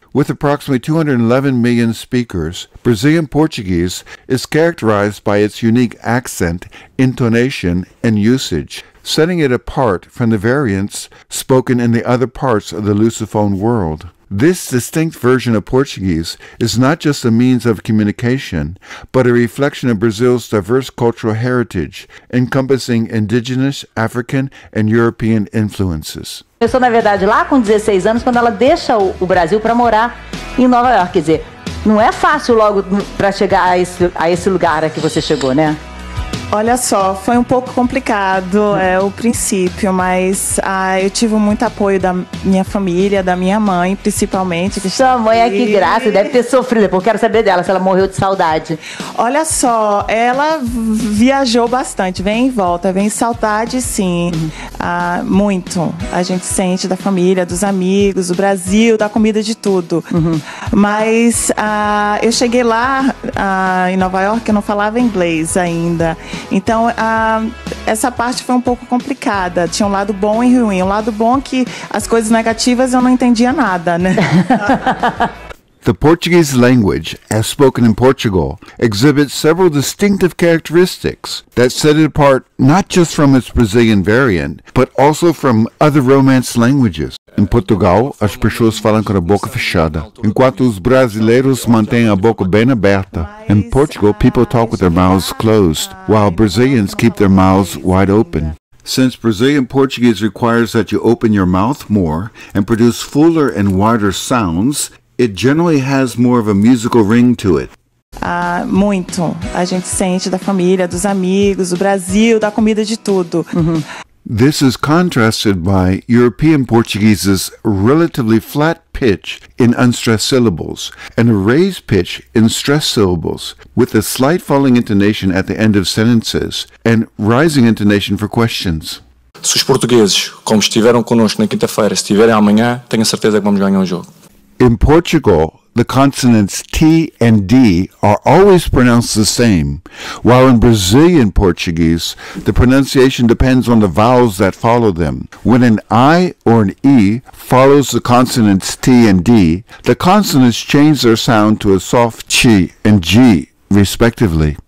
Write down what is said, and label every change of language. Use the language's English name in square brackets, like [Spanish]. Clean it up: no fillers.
[English] With approximately 211 million speakers, Brazilian Portuguese is characterized by its unique accent, intonation, and usage, setting it apart from the variants spoken in the other parts of the Lusophone world. This distinct version of Portuguese is not just a means of communication, but a reflection of Brazil's diverse cultural heritage, encompassing indigenous, African, and European influences. [Portuguese] Começou, na verdade, lá com 16 anos, quando ela deixa o Brasil para morar em Nova York. Quer dizer, não é fácil logo para chegar a esse lugar a que você chegou, né? Olha só, foi um pouco complicado o princípio, mas eu tive muito apoio da minha família, da minha mãe, principalmente. Sua mãe é que graça, deve ter sofrido, porque eu quero saber dela, se ela morreu de saudade. Olha só, ela viajou bastante, vem e volta, vem saudade, sim, muito. A gente sente da família, dos amigos, do Brasil, da comida, de tudo. Mas eu cheguei lá em Nova York, eu não falava inglês ainda. Então, essa parte foi um pouco complicada. Tinha um lado bom e ruim. Um lado bom que as coisas negativas eu não entendia nada, né? [English] The Portuguese language, as spoken in Portugal, exhibits several distinctive characteristics that set it apart not just from its Brazilian variant, but also from other Romance languages. [Portuguese] Em Portugal, as pessoas falam com a boca fechada, enquanto os brasileiros mantêm a boca bem aberta. [English] In Portugal, people talk with their mouths closed, while Brazilians keep their mouths wide open. Since Brazilian Portuguese requires that you open your mouth more and produce fuller and wider sounds, it generally has more of a musical ring to it. [Portuguese] Muito. A gente sente da família, dos amigos, do Brasil, da comida, de tudo. [English] This is contrasted by European Portuguese's relatively flat pitch in unstressed syllables and a raised pitch in stressed syllables, with a slight falling intonation at the end of sentences and rising intonation for questions. [Portuguese] Se os portugueses, como estiveram connosco na quinta-feira, estiverem amanhã, tenho certeza que vamos ganhar o jogo. [English] In Portugal, the consonants T and D are always pronounced the same, while in Brazilian Portuguese, the pronunciation depends on the vowels that follow them. When an I or an E follows the consonants T and D, the consonants change their sound to a soft Ch and G, respectively.